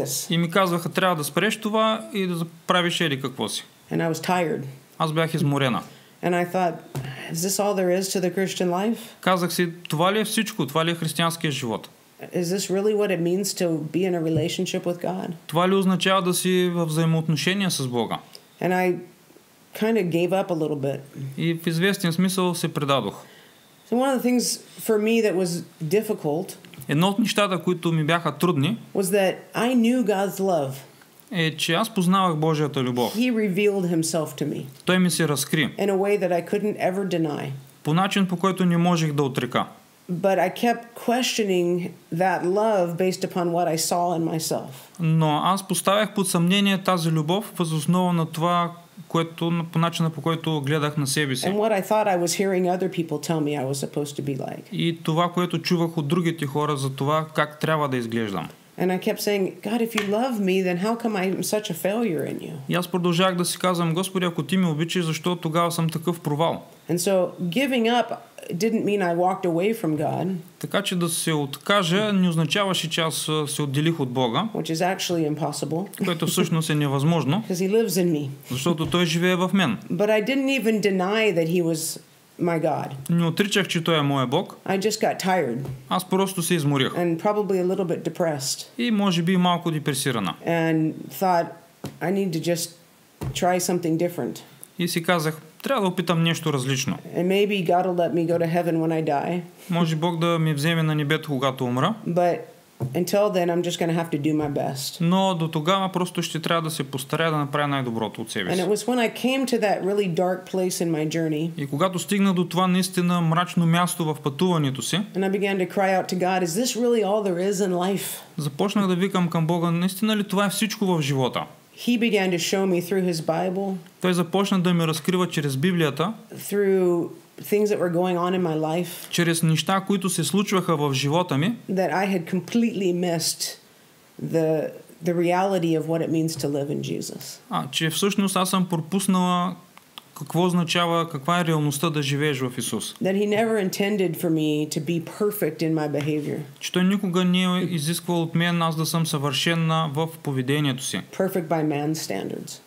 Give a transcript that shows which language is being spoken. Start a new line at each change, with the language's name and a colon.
Bulgarian: И ми казваха, трябва да спреш това и да правиш еди какво си.
English: And I was tired.
Bulgarian: Аз бях изморена.
English: And I thought, is this all there is to the Christian life?
Bulgarian: Казах си, това ли е всичко, това ли е християнският живот?
English: Is this really what it means to be in a relationship with God?
Bulgarian: Това ли означава да си във взаимоотношения с Бога?
English: And I kind of gave up a little bit.
Bulgarian: И в известен смисъл се предадох.
English: So one of the things for me that was difficult,
Bulgarian: едно от нещата, които ми бяха трудни,
English: was that I knew God's love.
Bulgarian: Е, че аз познавах Божията любов.
English: He revealed himself to me.
Bulgarian: Той ми се разкри.
English: In a way that I couldn't ever deny.
Bulgarian: По начин, по който не можех да отрека.
English: But I kept questioning that love based upon what I saw in myself.
Bulgarian: Но аз поставях под съмнение тази любов въз основа на това, което, по начина, по който гледах на себе си.
English: And what I thought I was hearing other people tell me I was supposed to be like.
Bulgarian: И това, което чувах от другите хора за това как трябва да изглеждам.
English: And I kept saying, God, if you love me, then how come I'm such a failure in you?
Bulgarian: И аз продължавах да си казвам, Господи, ако ти ме обичаш, защо тогава съм такъв провал?
English: And so giving up didn't mean I walked away from God.
Bulgarian: Така че да се откажа не означаваше, че аз се отделих от Бога.
English: Which is actually impossible.
Bulgarian: Което всъщност е невъзможно.
English: Because he lives in me.
Bulgarian: Защото той живее в мен.
English: But I didn't even deny that he was my God.
Bulgarian: Не отричах, че той е моя Бог.
English: I just got tired.
Bulgarian: Аз просто се изморих.
English: And probably a little bit depressed.
Bulgarian: И може би малко депресирана.
English: And thought I need to just try something different.
Bulgarian: И си казах, трябва да опитам нещо различно.
English: And maybe God will let me go to heaven when I die.
Bulgarian: Може Бог да ми вземе на небето, когато умра.
English: But until then, I'm just going to have to do my best.
Bulgarian: Но до тогава просто ще трябва да се постарая да направя най-доброто от себе си.
English: And it was when I came to that really dark place in my journey.
Bulgarian: И когато стигна до това наистина мрачно място в пътуването си.
English: And I began to cry out to God, is this really all there is in life?
Bulgarian: Започнах да викам към Бога, наистина ли това е всичко в живота?
English: He began to show me through his Bible.
Bulgarian: Той започна да ми разкрива чрез Библията.
English: Through things that were going on in my life.
Bulgarian: Чрез неща, които се случваха в живота ми.
English: That I had completely missed the reality of what it means to live in Jesus.
Bulgarian: А, че всъщност аз съм пропуснала какво означава, каква е реалността да живееш в Исус.
English: That he never intended for me to be perfect in my behavior.
Bulgarian: Че той никога не е изисквал от мен аз да съм съвършена в поведението си.
English: Perfect by man's standards.